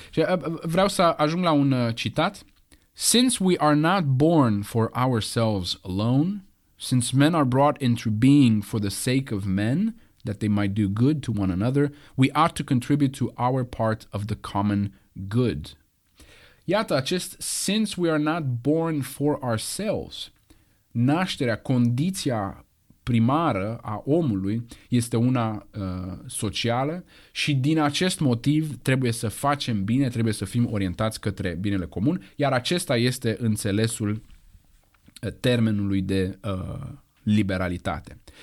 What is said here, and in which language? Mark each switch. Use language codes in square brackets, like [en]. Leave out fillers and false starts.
[ro] Și vreau să ajung la un citat. [en] Since we are not born for ourselves alone, since men are brought into being for the sake of men, that they might do good to one another, we ought to contribute to our part of the common good. [ro] Iată, acest [en] since we are not born for ourselves, [ro] nașterea, condiția primară a omului este una socială și din acest motiv trebuie să facem bine, trebuie să fim orientați către binele comun, iar acesta este înțelesul termenului de liberalitate.